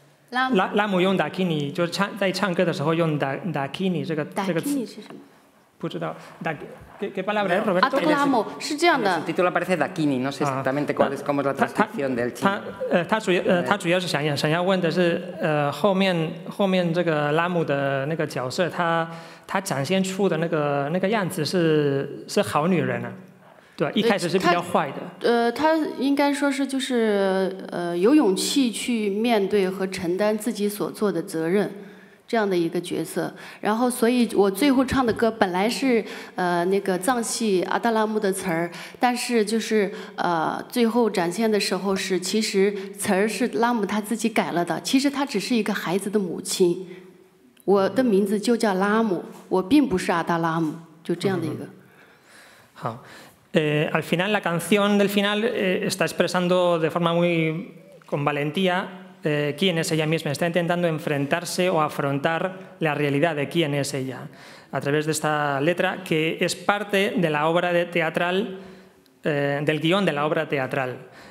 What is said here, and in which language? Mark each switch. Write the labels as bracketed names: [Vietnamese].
[Chinese] 拉姆用 Dakini， 就是唱在唱歌的时候用 Dakini 这个词。 Dakini 是什么？不知道。 [Spanish] ¿Qué palabra es, Roberto? Atoclamo, es que el título aparece Dakini, no sé exactamente cuál es, cómo es la transcripción del chino. [Chinese] 他主要是想要问的是，后面这个拉姆的那个角色，他展现出的那个样子是好女人啊。对，一开始是比较坏的。他应该说是就是有勇气去面对和承担自己所做的责任，这样的一个角色。然后，所以我最后唱的歌本来是那个藏戏阿达拉木的词儿，但是就是最后展现的时候是其实词儿是拉姆他自己改了的。其实他只是一个孩子的母亲，我的名字就叫拉姆，我并不是阿达拉姆，就这样的一个。好。 [Spanish] Al final, la canción del final está expresando de forma muy con valentía quién es ella misma. Está intentando enfrentarse o afrontar la realidad de quién es ella a través de esta letra, que es parte de la obra teatral, del guión de la obra teatral.